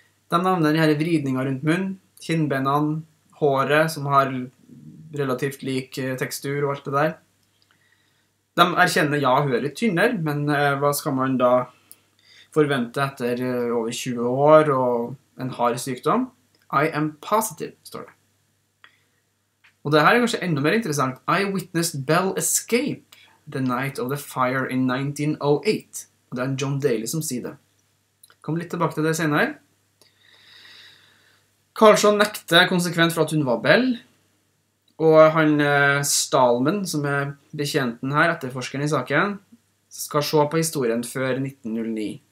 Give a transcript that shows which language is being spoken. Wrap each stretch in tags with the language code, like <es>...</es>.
<no>De nevner de her vridningene rundt munnen, kinnbenene, håret som har relativt lik tekstur og alt det der. De erkjenner ja, hun er litt tynner, men hva skal man da forvente etter over 20 år og en hard sykdom.</no> <en>I am positive,</en> <no>står det. Og det her er kanskje enda mer interessant.</no> <en>I witnessed Belle escape the night of the fire in 1908.</en> <no>Og det er John Daly som sier det. Kom litt tilbake til det senere. Karlsson nekte konsekvent for at hun var Belle. Og han Stallman, som er bekjenten her, etterforskeren i saken, skal se på historien før 1909.</no>